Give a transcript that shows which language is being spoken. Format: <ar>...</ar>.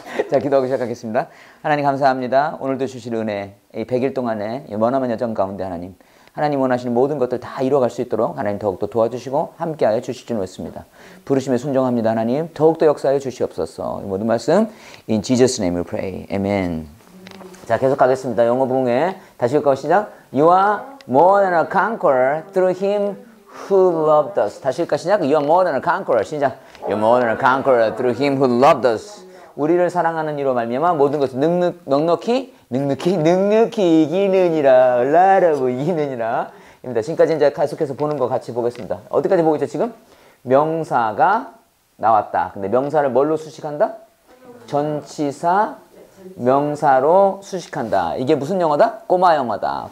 <ko>자, 기도하고 시작하겠습니다. 하나님 감사합니다. 오늘도 주실 은혜, 이 100일 동안에 머나먼 여정 가운데 하나님, 하나님 원하시는 모든 것들 다 이루어갈 수 있도록 하나님 더욱더 도와주시고 함께하여 주실 줄 믿습니다. 부르심에 순종합니다. 하나님 더욱더 역사하여 주시옵소서. 이 모든 말씀</ko> <en>In Jesus' name we pray. Amen.</en> <ko>자, 계속 가겠습니다. 영어 부흥에 다시 읽고 시작.</ko> <en>You are more than a conqueror through him who loved us.</en> <ko>다시 읽고 시작.</ko> <en>You are more than a conqueror.</en> <ko>시작.</ko> <en>You are more than a conqueror through him who loved us.</en> <ko>우리를 사랑하는 이로 말미암아 모든 것을 능력히 이기는이라. 라라고 이기는이라. 입니다. 지금까지 이제 계속해서 보는 거 같이 보겠습니다. 어디까지 보고 있죠, 지금? 명사가 나왔다. 근데 명사를 뭘로 수식한다? 전치사 명사로 수식한다. 이게 무슨 영어다? 꼬마 영어다.</ko>